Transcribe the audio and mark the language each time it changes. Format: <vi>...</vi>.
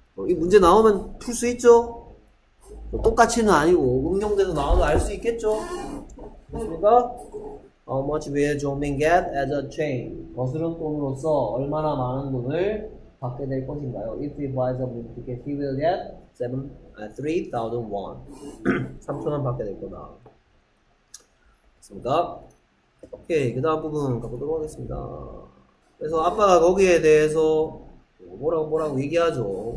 <ko>이 문제 나오면 풀 수 있죠? 똑같이는 아니고 응용돼서 나와도 알 수 있겠죠? 됐습니까?</ko> <en>How much will Jongmin get as a change?</en> <ko>거스름 돈으로서 얼마나 많은 돈을 받게 될 것인가요?</ko> <en>If he buys a movie ticket, he will get 3,000 won.</en> <ko>3,000원 받게 될 거다. 됐습니까? 오케이, 그 다음 부분 가보도록 하겠습니다. 그래서 아빠가 거기에 대해서 뭐라고 얘기하죠.</ko>